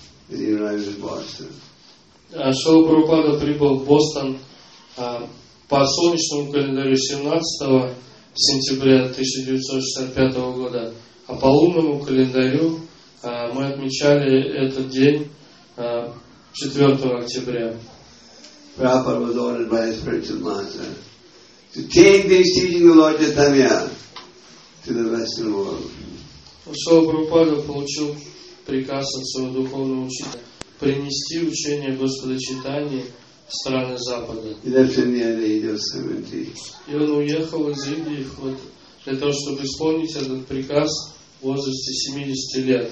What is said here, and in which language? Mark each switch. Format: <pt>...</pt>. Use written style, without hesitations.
<ru>А Шрила Прабхупада прибыл в Бостон по солнечному календарю 17 сентября 1965 года, а по лунному календарю мы отмечали этот день 4 октября.</ru> <en>Prabhupada was ordered by his spiritual master to take the teaching of Lord Chaitanya to the Western world.</en> <ru>Шрила Прабхупада получил приказ от своего духовного учителя принести учение Господа Чайтаньи в страны Запада. И он уехал из Индии вот для того, чтобы исполнить этот приказ в возрасте 70 лет.</ru>